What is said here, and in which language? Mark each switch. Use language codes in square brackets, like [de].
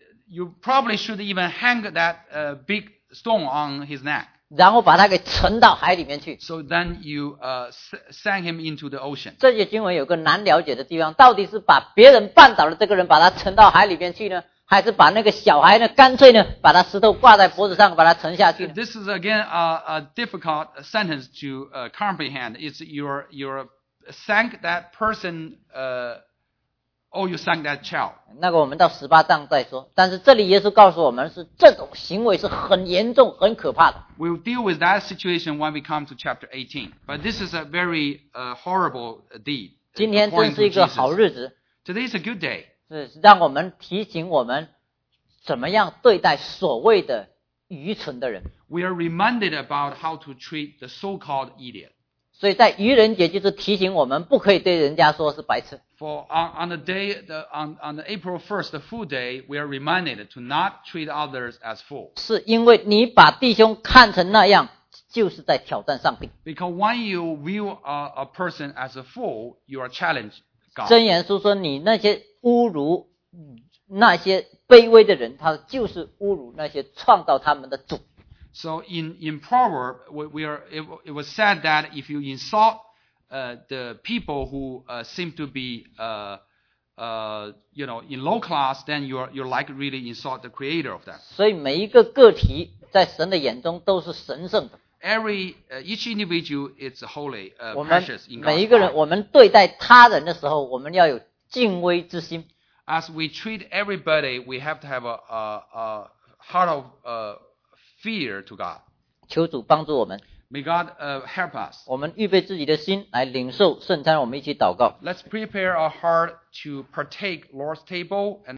[en] You probably should even hang that big stone on his neck. [zh] 然后把他给沉到海里面去。 [en] So then you sank him into the ocean. [zh] 这些经文有个难了解的地方，到底是把别人绊倒了这个人，把他沉到海里面去呢？还是把那个小孩呢，干脆呢，把他石头挂在脖子上，把他沉下去。 [en] This is again a difficult sentence to comprehend. It's your sank that person, or you sank that child. [zh] 那个我们到十八章再说。但是这里耶稣告诉我们是这种行为是很严重、很可怕的。 [en] We'll deal with that situation when we come to chapter 18. But this is a very horrible deed. [zh] 今天真是一个好日子。 [en] Today is a good day. [zh] 是让我们提醒我们怎么样对待所谓的愚蠢的人。 [en] We are reminded about how to treat the so-called idiot. [zh] 所以在愚人节就是提醒我们不可以对人家说是白痴。 [en] For on the day, on the April 1st, the Fool Day, we are reminded to not treat others as fools. [zh] 是因为你把弟兄看成那样，就是在挑战上帝。 [en] Because when you view a person as a fool, you are challenged God. [zh] 箴言书说你那些侮辱那些卑微的人，他就是侮辱那些创造他们的主。 [en] So in Proverb, it was said that if you insult the people who seem to be in low class, then you're like really insult the creator of that. [zh] 所以每一个个体在神的眼中都是神圣的。 [en] Each individual is holy, precious in God's eye. [zh] 每一个人，我们对待他人的时候，我们要有敬畏之心。 [en] As we treat everybody, we have to have a heart of fear to God. [zh] 求主帮助我们。 [en] May God help us. [zh] 我们预备自己的心来领受圣餐，我们一起祷告。 [en] Let's prepare our heart to partake Lord's table and